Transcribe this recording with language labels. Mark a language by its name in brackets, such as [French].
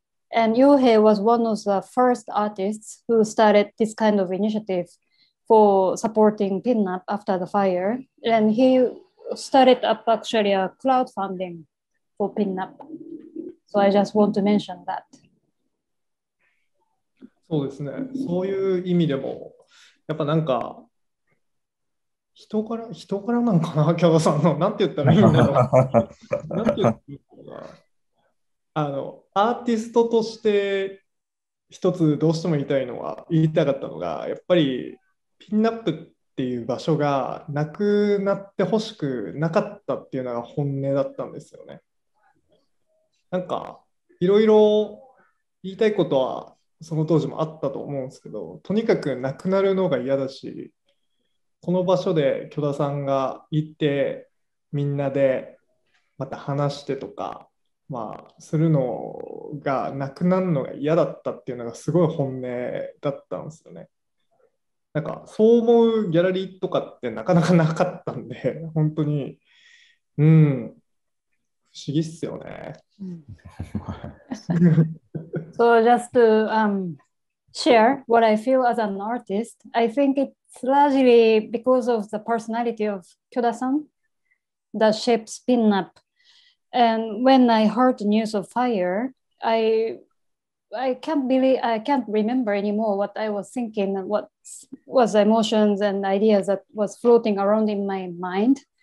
[English] And Yohei was one of the first artists who started this kind of initiative for supporting Pinup after the fire. And he started up actually a crowdfunding for Pinup. So I just want to mention that. [Japanese] そうですね、そういう意味でもやっぱなんか人からなんかな、キャドさんのなんて言ったらいいんだろうなんて言ったらいいのかな、アーティストとして一つどうしても言いたかったのが、やっぱりピンナップっていう場所がなくなってほしくなかったっていうのが本音だったんですよね。なんかいろいろ言いたいことはその当時もあったと思うんですけど、とにかくなくなるのが嫌だし、この場所で許田さんがいてみんなでまた話してとか、まあ、するのがなくなるのが嫌だったっていうのがすごい本音だったんですよね。なんかそう思うギャラリーとかってなかなかなかったんで、本当に不思議っすよね。 [English] So just to share what I feel as an artist, I think it's largely because of the personality of Kyoda-san that shapes Pinup. And when I heard the news of fire, I can't remember anymore what I was thinking, and what was emotions and ideas that was floating around in my mind.